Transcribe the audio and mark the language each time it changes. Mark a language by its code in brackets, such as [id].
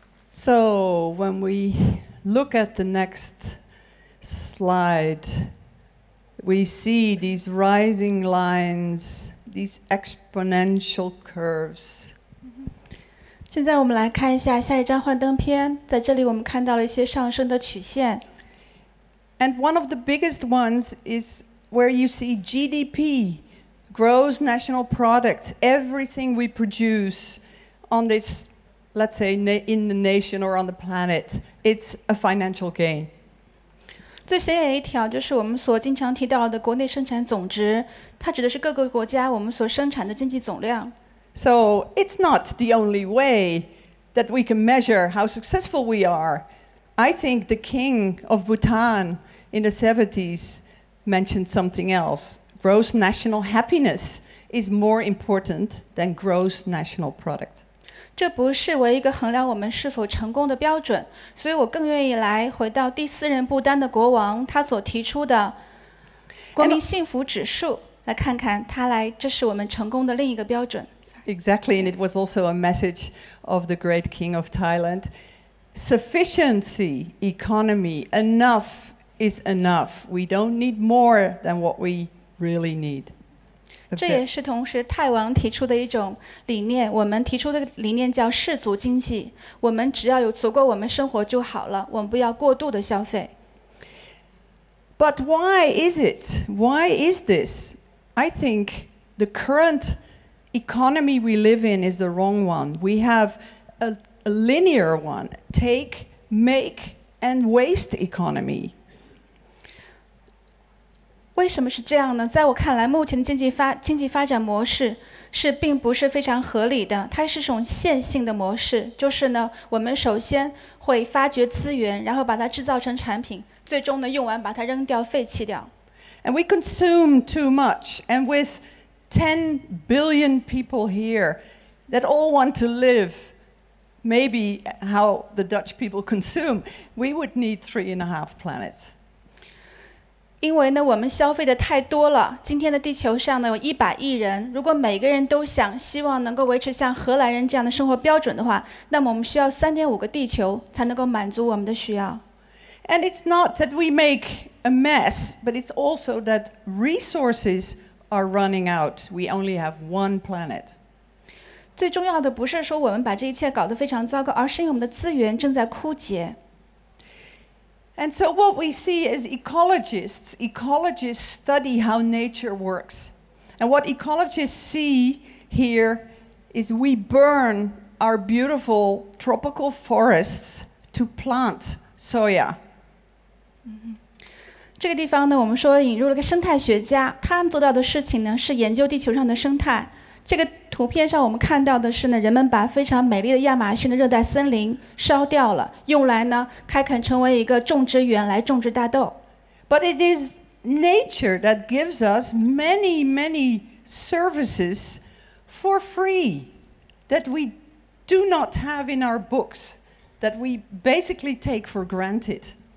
[en] So when we look at the next slide, we see these rising lines, these exponential curves. [zh] 现在我们来看一下下一张幻灯片，在这里我们看到了一些上升的曲线。 [en] And one of the biggest ones is where you see GDP, gross national product, everything we produce on this. Let's say in the nation or on the planet, it's a financial gain. [zh] 最显眼一条就是我们所经常提到的国内生产总值，它指的是各个国家我们所生产的经济总量。 [en] So it's not the only way that we can measure how successful we are. I think the king of Bhutan in the 70s mentioned something else. Gross national happiness is more important than gross national product. [zh] 这不是唯一一个衡量我们是否成功的标准，所以我更愿意来回到第四任不丹的国王他所提出的国民幸福指数，来看看他来，这是我们成功的另一个标准。 [en] Exactly, and it was also a message of the great king of Thailand. Sufficiency, economy, enough is enough. We don't need more than what we really need. [zh] 这也是同时泰王提出的一种理念，我们提出的理念叫世俗经济，我们只要有足够我们生活就好了，我们不要过度的消费。 [en] But why is it? Why is this? I think the current economy we live in is the wrong one. We have a linear one, take, make and waste economy. [zh] 为什么是这样呢？在我看来，目前的经济发展模式是并不是非常合理的。它是一种线性的模式，就是呢，我们首先会发掘资源，然后把它制造成产品，最终呢，用完把它扔掉、废弃掉。 [en] And we consume too much. And with 10 billion people here that all want to live, maybe how the Dutch people consume, we would need 3.5 planets. [zh] 因为呢，我们消费的太多了。今天的地球上呢，有100亿人。如果每个人都想希望能够维持像荷兰人这样的生活标准的话，那么我们需要3.5个地球才能够满足我们的需要。 [en] And it's not that we make a mess, but it's also that resources are running out. We only have one planet. [zh] 最重要的不是说我们把这一切搞得非常糟糕，而是因为我们的资源正在枯竭。 [en] And so what we see is ecologists study how nature works. And what ecologists see here is we burn our beautiful tropical forests to plant soya. [zh] 这个地方呢，我们说引入了个生态学家，他们做到的事情呢，是研究地球上的生态。这个图片上我们看到的是呢，人们把非常美丽的亚马逊的热带森林烧掉了，用来呢开垦成为一个种植园来种植大豆。 [en] But it is nature that gives us many, many services for free that we do not have in our books, that we basically take for granted.